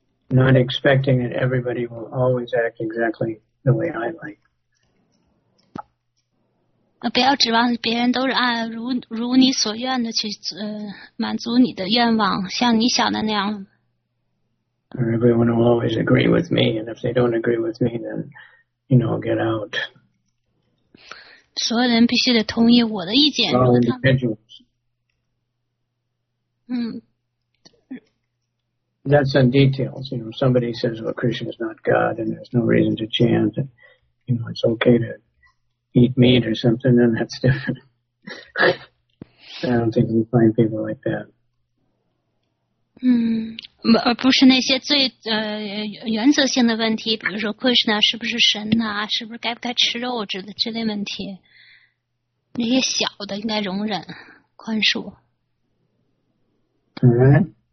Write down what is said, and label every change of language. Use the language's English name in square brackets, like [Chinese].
[English] not expecting that everybody will always act exactly the way I like. [Chinese] 不要指望别人都是按 如你所愿的去满足你的愿望，像你想的那样。 [English] Everyone will always agree with me, and if they don't agree with me, then, you know, get out. [Chinese] 所有人必须得同意我的意见。 [English] All individuals. That's in details. You know, somebody says, well, Krishna is not God, and there's no reason to chant, and, you know, it's okay to eat meat or something, then that's different. I don't think we find people like that. [Chinese] 而不是那些最原则性的问题，比如说 Krishna 是不是神啊，是不是该不该吃肉之类问题，那些小的应该容忍宽恕。 [English] All right.